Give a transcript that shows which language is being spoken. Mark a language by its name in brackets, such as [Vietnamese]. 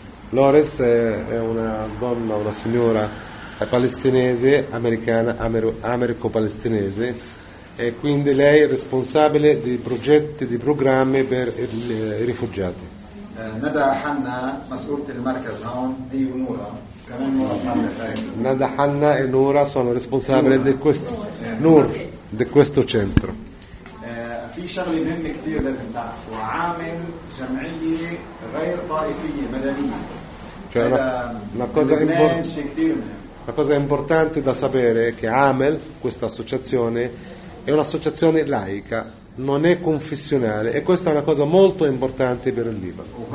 [Italian] Loris è una donna, una signora palestinese, americana, americo-palestinese, e quindi lei è responsabile di progetti, di programmi per i rifugiati. Nada Hanna e Nora sono responsabili di questo, Nur, di questo centro. [Arabic] في شغلة مهمة كتير لازم تعرفوا عامل جمعية غير طائفية مدنية [Italian] cioè una cosa una cosa importante da sapere è che AMEL, questa associazione, è un'associazione laica, non è confessionale, e questa è una cosa molto importante per il Libano.